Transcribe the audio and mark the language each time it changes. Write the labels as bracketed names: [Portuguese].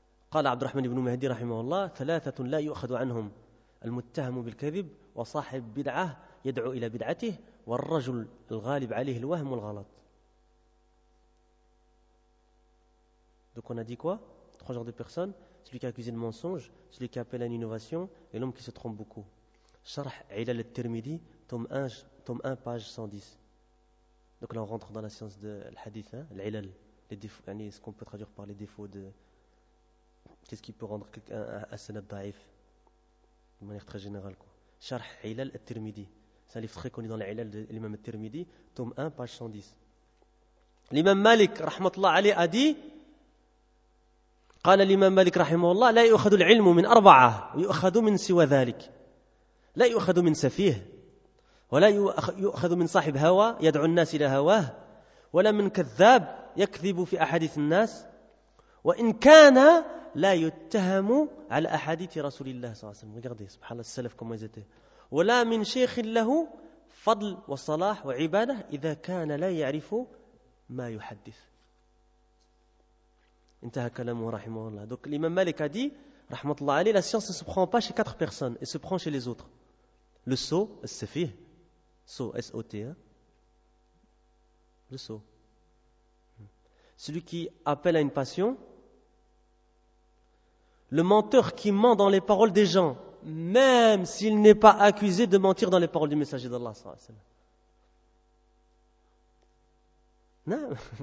[Arabic] Qu'Allah Abdurrahman ibn Mahdi, rahimahullah, thalathatun la yu'khadu anhum, al-muttahamu bil-kadhib, wa sahib bid'ah, يدعو إلى بدعته والرجل الغالب عليه الوهم والغلط. [French] Donc on a dit quoi? 3 genres de personnes, celui qui a accusé de mensonge, celui qui appelle à une innovation et l'homme qui se trompe beaucoup. [Arabic] شرح علل الترمذي [French] tome 1 page 110. Donc là on rentre dans la science de l'hadith, العلل, les défauts, يعني ce qu'on peut traduire par les défauts de qu'est-ce qui peut rendre quelqu'un un sanad daif de manière très générale quoi. [Arabic] شرح علل الترمذي. [French] C'est un livre très connu dans l'Ilal de l'imam al-Tirmidhi, tome 1, page 110. [Arabic] L'imam Malik, rahmatullah alayhi, [French] a dit, [Arabic] « قال l'imam Malik, rahimahullah, لا يؤخذ العلم من أربعة يؤخذ من سوى ذلك. لا يؤخذ من سفيه ولا يؤخذ من صاحب هوى يدعو الناس إلى هواه ولا من كذاب يكذب في أحاديث الناس وإن كان لا يتهم على أحاديث رسول الله صلى الله عليه وسلم. » [French] Regardez, [Arabic] سبحان الله, السلف [French] comment ils étaient. [Arabic] ولا من شيخ له فضل وصلاح وعبادة إذا كان لا يعرف ما يحدث. انتهى كلامه رحمه الله. [French] Donc l'imam Malik a dit, [Arabic] rahmatullah alayh, [French] la science ne se prend pas chez 4 personnes, elle se prend chez les autres. Le sot, as-safih, sot, S-O-T, hein? Le sot. Celui qui appelle à une passion, le menteur qui ment dans les paroles des gens, même s'il n'est pas accusé de mentir dans les paroles du messager d'Allah [Arabic] sallallahu alayhi wa sallam. [French] Non.